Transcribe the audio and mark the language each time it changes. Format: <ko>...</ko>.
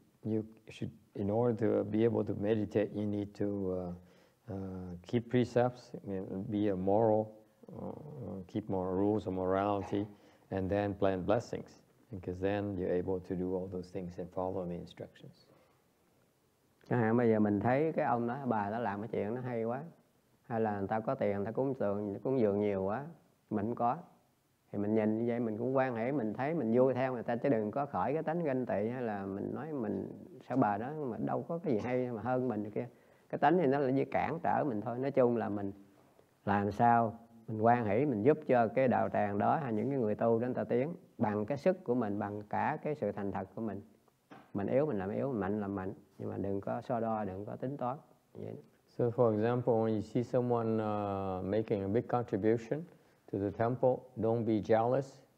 <en>you should, in order to be able to meditate, you need to keep precepts, be a moral, keep moral rules or morality, and then plant blessings, because then you're able to do all those things and follow the instructions.</en> <vi>Chẳng hạn bây giờ mình thấy cái ông đó, bà đó làm cái chuyện nó hay quá, hay là người ta có tiền, người ta cúng dường nhiều quá, mình có. Thì mình nhìn như vậy mình cũng quan hệ, mình thấy mình vui theo người ta, chứ đừng có khởi cái tánh ganh tị hay là mình nói mình sao bà đó mà đâu có cái gì hay mà hơn mình kia. Cái tánh thì nó là như cản trở mình thôi. Nói chung là mình làm sao mình quan hệ, mình giúp cho cái đạo tràng đó hay những cái người tu đến ta tiến bằng cái sức của mình, bằng cả cái sự thành thật của mình. Mình yếu mình làm yếu, mạnh làm mạnh, nhưng mà đừng có so đo, đừng có tính toán.</vi> <en>So for example, when you see someone making a big contribution to the temple, don't be jealous.</en>